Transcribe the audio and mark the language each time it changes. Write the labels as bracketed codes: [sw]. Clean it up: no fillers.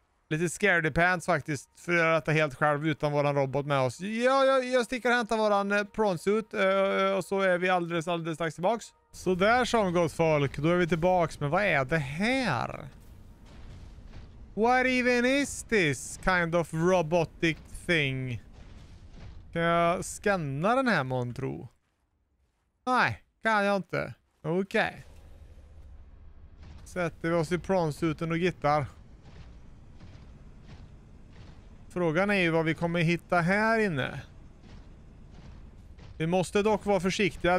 [sv] Lite scaredy pants faktiskt för att göra detta helt själv utan våran robot med oss. Jag sticker och hämtar våran prawn suit och så är vi alldeles strax tillbaks. Så där som gott folk, då är vi tillbaks. Men vad är det här? [en] What even is this kind of robotic thing? [sv] Kan jag scanna den här montro? Nej, kan jag inte. Okej. Sätter vi oss i prawn suiten och gittar. Frågan är ju vad vi kommer hitta här inne. Vi måste dock vara försiktiga.